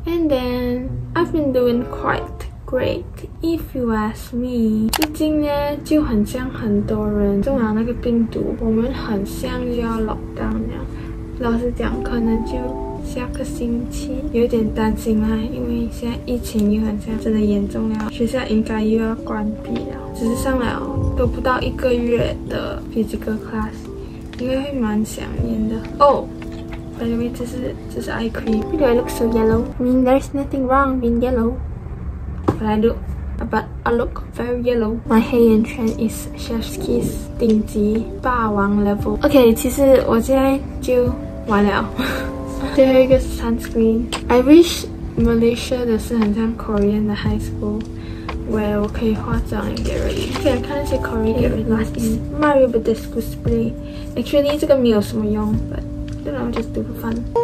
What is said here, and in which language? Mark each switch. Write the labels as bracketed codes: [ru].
[en] And then, I've been doing quite great, if you ask me. [zh] 最近呢，就很像很多人中了那个病毒，我们很像就要 lockdown 了。老实讲，可能就下个星期有点担心啦，因为现在疫情又很像真的严重了，学校应该又要关闭了。只是上了都不到一个月的 physical class， 应该会蛮想念的。 [en] By the way， [zh] 这是 [en] eye cream。 Why do I look so yellow？ I mean there's nothing wrong being yellow， but I do。 But I look very yellow. My hair and trend is Chef's Kiss [zh] 顶级霸王 [en] level. [zh] OK， 其实我现在就完了。最后一个 sunscreen. [en] I wish Malaysia [zh] 的是很像 [en] Korean 的 high school， where [zh] 我可以化妆 [en] and get ready. OK， [zh] 看那些 [en] Korean get ready. Last in Mario Badescu spray. Actually， [zh] 这个没有什么用， [en] but I don't know, just do for fun.